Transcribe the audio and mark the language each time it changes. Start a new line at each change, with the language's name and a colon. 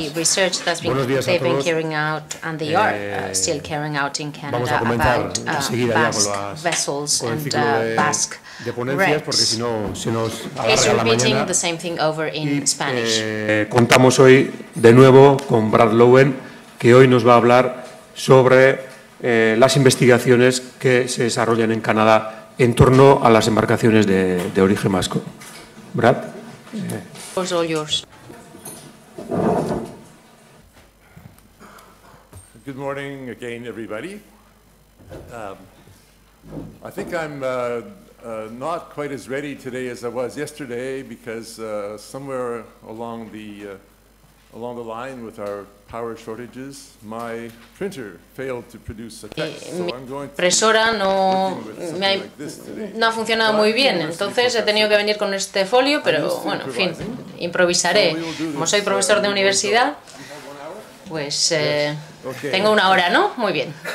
English: The research that's been, they've been carrying out and they are still carrying out in Canada about Basque vessels and Basque wrecks. It's repeating the same thing over in Spanish.
Spanish: Contamos hoy de nuevo con Brad Lowen, que hoy nos va a hablar sobre las investigaciones que se desarrollan en Canadá en torno a las embarcaciones de origen vasco.
English: Brad. It's all yours. Good morning again, everybody. I think I'm not quite as ready today as I was yesterday because somewhere along the line with our power shortages, my printer failed to produce a text, so I'm going to...
Spanish: Mi impresora no ha funcionado muy bien, entonces he tenido que venir con este folio, pero bueno, en fin, improvisaré. Como soy profesor de universidad, pues tengo una hora, ¿no? Muy bien.